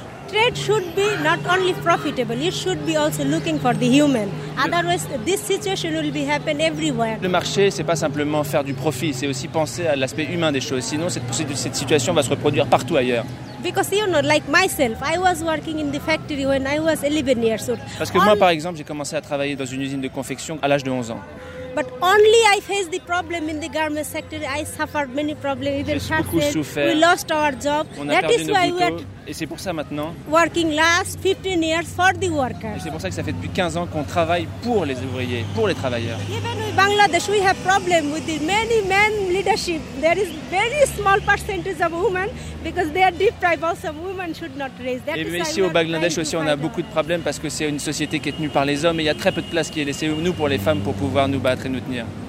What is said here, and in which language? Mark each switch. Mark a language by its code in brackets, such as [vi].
[en] Trade should be not only profitable, it should be also looking for the human. Otherwise, this situation will be happen everywhere. [fr] Le marché, c'est pas simplement faire du profit, c'est aussi penser à l'aspect humain des choses. Sinon, cette situation va se reproduire partout ailleurs. [en] Because you know, like myself, I was working in the factory when I was 11 years old. [fr] Parce que moi, par exemple, j'ai commencé à travailler dans une usine de confection à l'âge de 11 ans. [en] But only I faced the problem in the garment sector. I suffered many problems, even sharpness. We lost our job. That is why we are. [fr] Et c'est pour ça maintenant. [en] Working last 15 years for the workers. [fr] Et c'est pour ça que ça fait depuis 15 ans qu'on travaille pour les ouvriers, pour les travailleurs. [en] Even in Bangladesh, we have problem with the many men leadership. There is very small percentage of women because they are deprived. Also, women should not raise. That [fr] et mais ici au Bangladesh aussi, on a beaucoup de problèmes parce que c'est une société qui est tenue par les hommes et il y a très peu de place qui est laissée nous pour les femmes pour pouvoir nous battre et nous tenir.